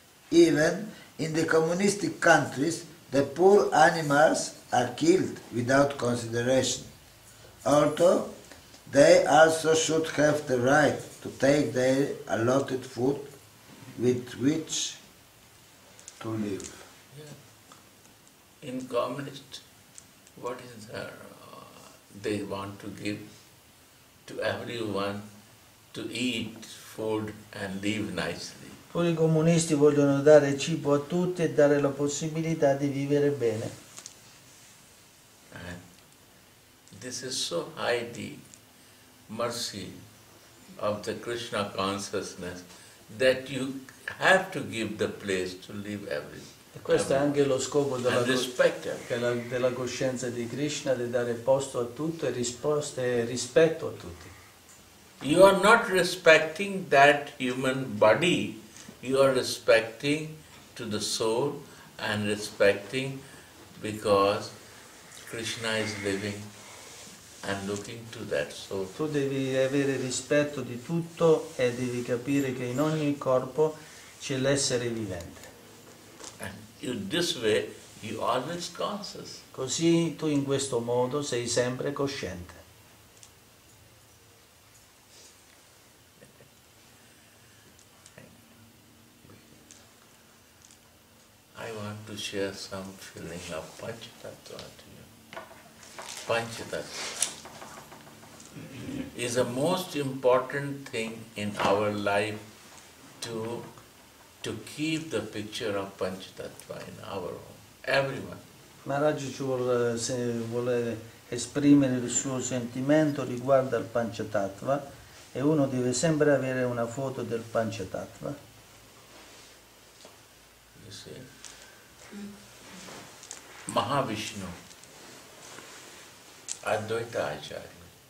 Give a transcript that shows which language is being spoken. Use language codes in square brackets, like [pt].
[en] Even in the communistic countries, the poor animals are killed without consideration, although they also should have the right to take their allotted food with which to live. In communist, what is there? They want to give to everyone to eat food and live nicely. [it] Poi i comunisti vogliono dare cibo a tutti e dare la possibilità di vivere bene. [en] And this is so high the mercy of the Krishna consciousness that you have to give the place to live everything. [it] E questo è anche lo scopo della coscienza di Krishna, di dare posto a tutto e risposte e rispetto a tutti. [en] You are not respecting that human body, you are respecting to the soul and respecting because Krishna is living and looking to that soul. [it] Tu devi avere rispetto di tutto e devi capire che in ogni corpo c'è l'essere vivente. [en] In this way, you are always conscious. [it] Così tu in questo modo sei sempre cosciente. [en] I want to share some feeling of Panchatattva to you. Panchatattva is the most important thing in our life to keep the picture of Panchatattva in our home, everyone. [it] Maharaj vuole esprimere il suo sentimento riguardo al Panchatattva e uno deve sempre avere una foto del Panchatattva. [en] You see? Mahavishnu, Advaita Acharya.